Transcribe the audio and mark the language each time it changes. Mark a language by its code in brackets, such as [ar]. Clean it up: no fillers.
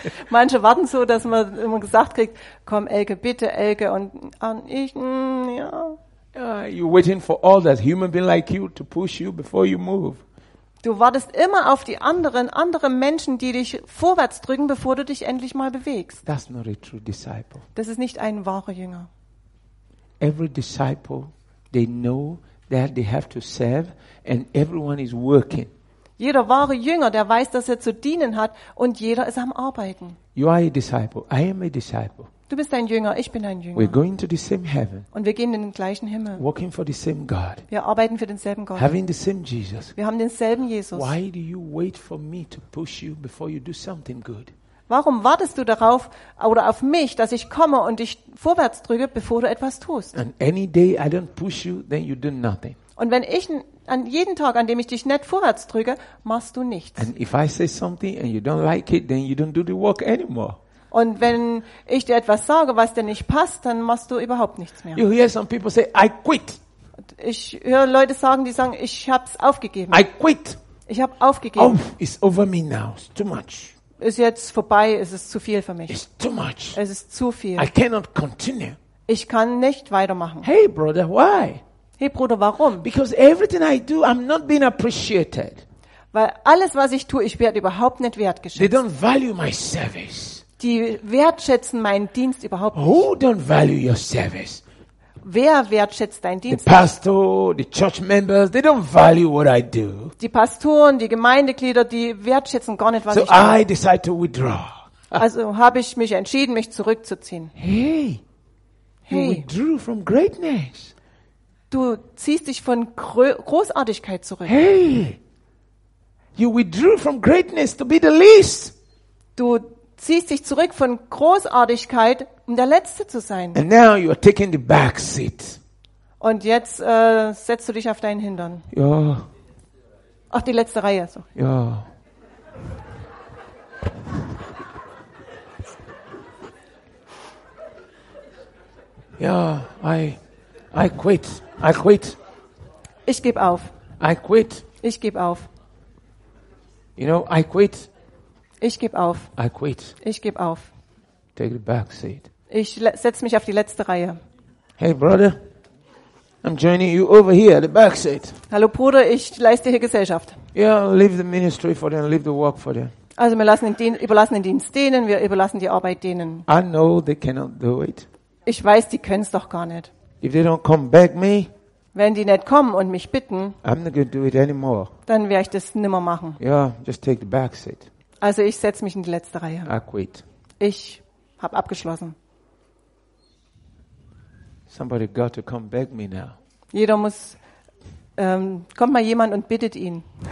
[de] Manche warten so, dass man immer gesagt kriegt, komm Elke, bitte Elke und an ich ja. [en] You waiting for all that human being like you to push you before you move. [de] Du wartest immer auf die anderen Menschen, die dich vorwärts drücken, bevor du dich endlich mal bewegst. [en] That's not a true disciple. [de] Das ist nicht ein wahrer Jünger. [en] Every disciple, they know that they have to serve and everyone is working. [de] Jeder wahre Jünger, der weiß, dass er zu dienen hat und jeder ist am Arbeiten. [en] You are a disciple. I am a disciple. [de] Du bist ein Jünger, ich bin ein Jünger. [en] We're going to the same heaven. [de] Und wir gehen in den gleichen Himmel. [en] Working for the same God. [de] Wir arbeiten für denselben Gott. [en] Having the same Jesus. [de] Wir haben denselben Jesus. [en] Why do you wait for me to push you before you do something good? [de] Warum wartest du darauf oder auf mich, dass ich komme und dich vorwärts drücke, bevor du etwas tust? [en] And any day I don't push you, then you do nothing. [de] Und wenn ich an jeden Tag, an dem ich dich nicht vorwärts drücke, machst du nichts. [en] And if I say something and you don't like it, then you don't do the work anymore. [de] Und wenn ich dir etwas sage, was dir nicht passt, dann machst du überhaupt nichts mehr. [en] You hear some people say, I quit. [de] Ich höre Leute sagen, die sagen, ich hab's aufgegeben. [en] I quit. [de] Ich hab aufgegeben. [en] Oh, it's over me now. It's too much. [de] Ist jetzt vorbei, es ist zu viel für mich. [en] It's too much. [de] Es ist zu viel. [en] I cannot continue. [de] Ich kann nicht weitermachen. [en] Hey brother, why? [de] Hey Bruder, warum? [en] Because everything I do, I'm not being appreciated. [de] Weil alles, was ich tue, ich werde überhaupt nicht wertgeschätzt. [en] They don't value my service. [de] Die wertschätzen meinen Dienst überhaupt nicht. [en] Who don't value your service? [de] Wer wertschätzt deinen Dienst? [en] The pastor, the church members, they don't value what I do. [de] Die Pastoren, die Gemeindeglieder, die wertschätzen gar nicht, was so ich tue. [en] I decide to withdraw. [de] Also habe ich mich entschieden, mich zurückzuziehen. Hey. [en] You withdrew from greatness. [de] Du ziehst dich von Großartigkeit zurück. Hey. [en] You withdrew from greatness to be the least. [de] Du ziehst dich zurück von Großartigkeit, um der Letzte zu sein. [en] And now you are taking the back seat. [de] Und jetzt setzt du dich auf deinen Hintern. Ja. Ach, die letzte Reihe. So. Ja. [en] Ja, I quit. [de] Ich gebe auf. [en] I quit. [de] Ich gebe auf. [en] You know, I quit. [de] Ich gebe auf. [en] I quit. [de] Ich gebe auf. [en] Take the back seat. [de] Ich setz mich auf die letzte Reihe. [en] Hey brother, I'm joining you over here, the back seat. [de] Hallo Bruder, ich leiste hier Gesellschaft. [en] Yeah, leave the ministry for them, leave the work for them. [de] Also wir lassen den überlassen den Dienst denen, wir überlassen die Arbeit denen. [en] I know they cannot do it. [de] Ich weiß, die können es doch gar nicht. [en] If they don't come back me. [de] Wenn die nicht kommen und mich bitten, [en] I'm not gonna do it anymore. [de] Dann werde ich das nimmer machen. [en] Yeah, just take the back seat. [de] Also ich setze mich in die letzte Reihe. [en] I quit. [de] Ich habe abgeschlossen. [en] Somebody got to come beg me now. [de] Jeder muss, kommt mal jemand und bittet ihn.